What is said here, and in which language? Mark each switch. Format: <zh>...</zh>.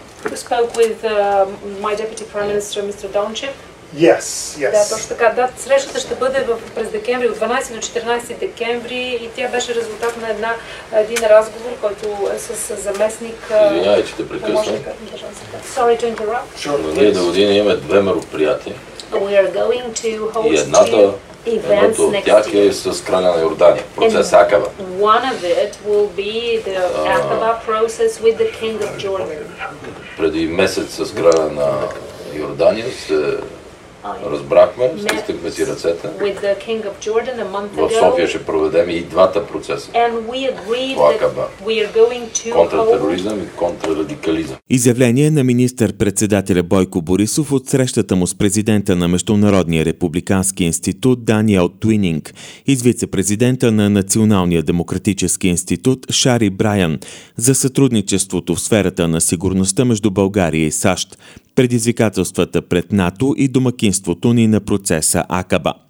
<en>You spoke with my Deputy Prime Minister, Mr. Doncic. Yes, yes.</en> <bg>Да, точно така. Да, срещата ще бъде през декември, от 12 до 14 декември и тя беше резултат на един разговор, който е с заместник... Извинявай, че те прекъсвам.</bg> <en>Sorry to interrupt. Sure, please.</en> <bg>Ние до година имаме две мероприятия.</bg> <en>We are going to host</en> <bg>и едната, едното от тях е с краля на Йордания, процес Акаба.</bg> <en>One of it will be the Akaba process with the King of Jordan.</en> <bg>Преди месец с краля на Йордания се Разбрахме, стискахме си ръцете.</bg> <en>With the King of Jordan a month ago.</en> <bg>В София ще проведем и двата процеса.</bg> <en>And we agreed that we are going to</en> <bg>контратероризъм и контрарадикализъм. Изявление на министър-председателя Бойко Борисов от срещата му с президента на Международния републикански институт Даниел Туининг и с вице-президента на Националния демократически институт Шари Брайан за сътрудничеството в сферата на сигурността между България и САЩ, предизвикателствата пред НАТО и домакинството ни на процеса Акаба.</bg>